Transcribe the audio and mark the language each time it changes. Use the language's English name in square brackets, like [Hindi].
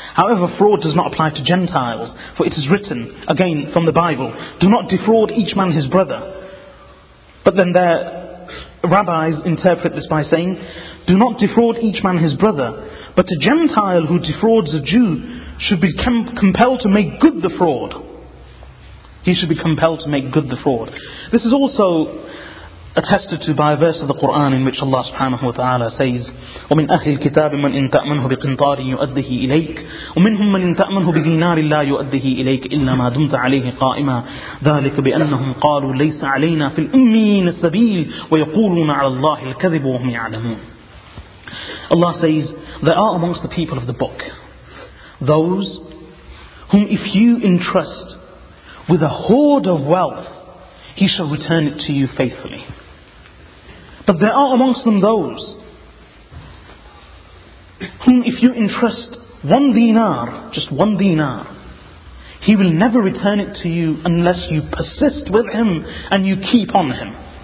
[English] However, fraud does not apply to Gentiles, for it is written, again from the Bible, do not defraud each man his brother. But then their rabbis interpret this by saying, do not defraud each man his brother, but a Gentile who defrauds a Jew should be compelled to make good the fraud. He should be compelled to make good the fraud. This is also attested to by a verse of the Quran in which Allah subhanahu wa ta'ala says, [Arabic] وَمِنْ أَهْلِ الْكِتَابِ مَنْ إِنْ تَأْمَنْهُ بِقِنْطَارٍ يُؤَدِّهِ إِلَيْكَ وَمِنْهُمْ مَنْ إِنْ تَأْمَنْهُ بِدِينَارِ لَا يُؤَدِّهِ إِلَيْكَ إِلَّا مَا دُمْتَ عَلَيْهِ قَائِمًا ذَلِكَ بِأَنَّهُمْ قَالُوا لَيْسَ عَلَيْنَا فِي الْأُمِّيِّينَ السَّبِيلِ وَيَقُولُونَ عَلَى اللَّهِ الْكَذِبُ وَهُمْ يَعْلَمُونَ. [English] Allah says, there are amongst the people of the book those whom if you entrust with a hoard of wealth, he shall return it to you faithfully. But there are amongst them those whom if you entrust one dinar, just one dinar, he will never return it to you unless you persist with him and you keep on him.